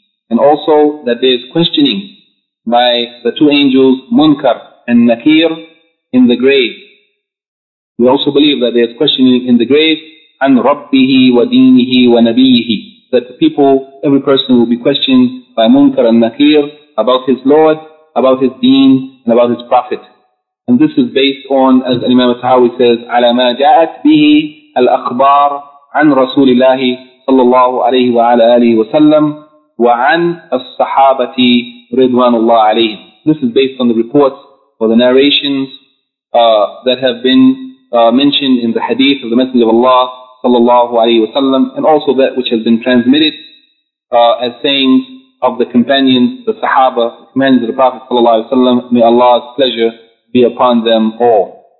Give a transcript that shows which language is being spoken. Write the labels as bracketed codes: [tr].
[en] And also that there is questioning by the two angels, Munkar and Nakir, in the grave. We also believe that there is questioning in the grave, [ar] عَنْ رَبِّهِ وَدِينِهِ وَنَبِيهِ. [en] That the people, every person will be questioned by Munkar and Nakir about his Lord, about his deen, and about his prophet. And this is based on, as Imam al-Tahawi says, [ar] عَلَى مَا جَاءَتْ بِهِ الْأَخْبَارِ عَنْ رَسُولِ اللَّهِ صَلَّى اللَّهُ عَلَيْهِ وَعَلَى آلِهِ وَسَلَّمْ وَعَنْ الصَّحَابَةِ رِضْوَانُ اللَّهِ عَلَيْهِ. [en] This is based on the reports or the narrations that have been mentioned in the hadith of the Messenger of Allah sallallahu alayhi wa sallam, and also that which has been transmitted as sayings of the companions, the Sahaba, the companions of the Prophet sallallahu alayhi wa sallam, may Allah's pleasure be upon them all.